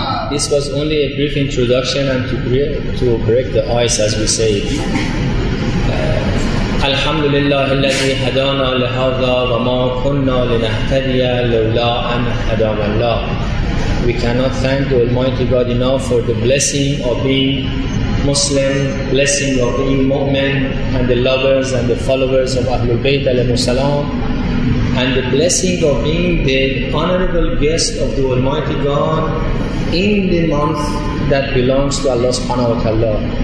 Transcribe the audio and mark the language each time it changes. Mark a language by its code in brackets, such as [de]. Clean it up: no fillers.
[en] This was only a brief introduction and to break the ice, as we say. [ar] Alhamdulillah, الذي هدانا لهذا وما كنا لنهتدي لولا أن هدانا الله. [en] We cannot thank the Almighty God enough for the blessing of being Muslim, blessing of being mu'min, and the lovers and the followers of Ahlul Bayt [ar] alayhi salam, [en] and the blessing of being the honorable guest of the Almighty God in the month that belongs to Allah [ar] subhanahu wa ta'ala.